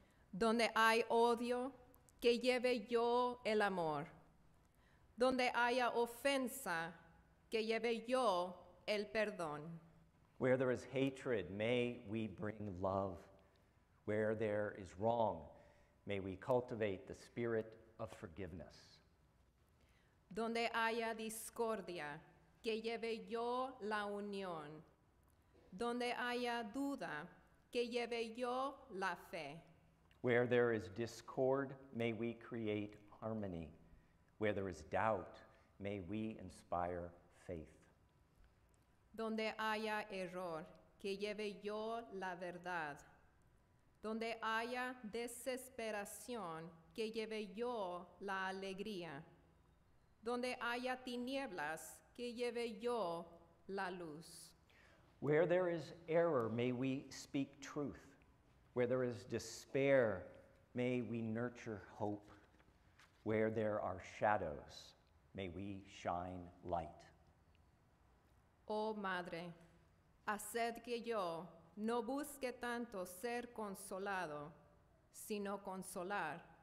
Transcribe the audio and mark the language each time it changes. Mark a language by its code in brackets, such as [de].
[es] Donde hay odio, que lleve yo el amor. Donde haya ofensa, que lleve yo el perdón. [en] Where there is hatred, may we bring love. Where there is wrong, may we cultivate the spirit of forgiveness. [es] Donde haya discordia, que lleve yo la unión. Donde haya duda, que lleve yo la fe. [en] Where there is discord, may we create harmony. Where there is doubt, may we inspire faith. [es] Donde haya error, que lleve yo la verdad. Donde haya desesperación, que lleve yo la alegría. Donde haya tinieblas, que lleve yo la luz. [en] Where there is error, may we speak truth. Where there is despair, may we nurture hope. Where there are shadows, may we shine light. [es] Oh Madre, haced que yo no busque tanto ser consolado, sino consolar.